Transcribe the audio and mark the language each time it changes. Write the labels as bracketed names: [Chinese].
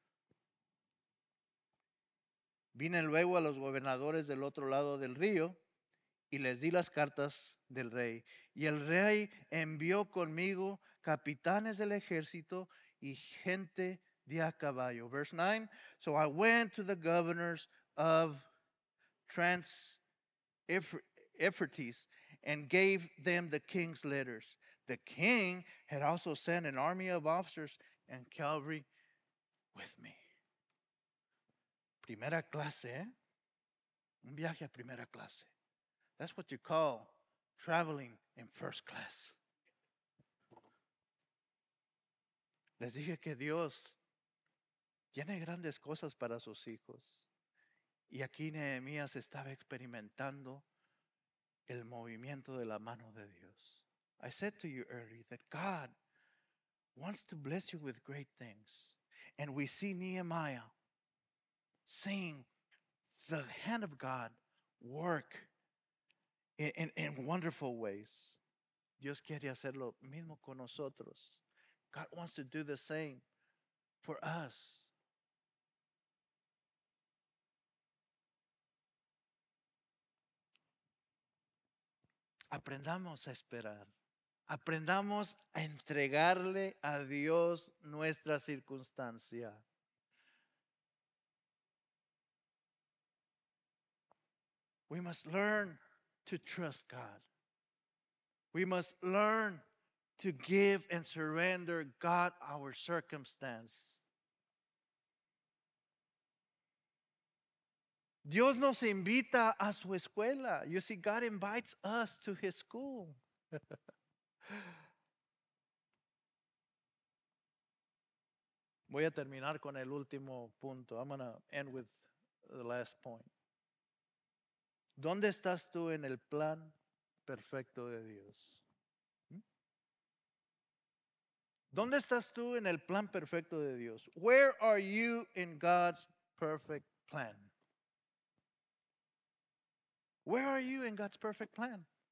[Spanish] Versículo 9. Vine luego a los gobernadores del otro lado del río y les di las cartas del rey. Y el rey envió conmigo capitanes del ejército y gente de a caballo. [English] Verse 9. So I went to the governors of Trans-Euphrates and gave them the king's letters. The king had also sent an army of officers and cavalry with me. [Spanish] Primera clase, ¿eh? Un viaje a primera clase. [English] That's what you call traveling in first class. [Spanish] Les dije que Dios tiene grandes cosas para sus hijos. Y aquí Nehemías estaba experimentando el movimiento de la mano de Dios. [English] I said to you earlier that God wants to bless you with great things. And we see Nehemiah seeing the hand of God work in wonderful ways. [Spanish] Dios quiere hacer lo mismo con nosotros. [English] God wants to do the same for us. [Spanish] Aprendamos a esperar. Aprendamos a entregarle a Dios nuestra circunstancia. [English] We must learn to trust God. We must learn to give and surrender God our circumstance. [Spanish] Dios nos invita a su escuela. [English] You see, God invites us to his school. [Spanish] Voy a terminar con el último punto. [English] I'm going to end with the last point. [Spanish] ¿Dónde estás tú en el plan perfecto de Dios? ¿Dónde estás tú en el plan perfecto de Dios? [English] Where are you in God's perfect plan? Where are you in God's perfect plan?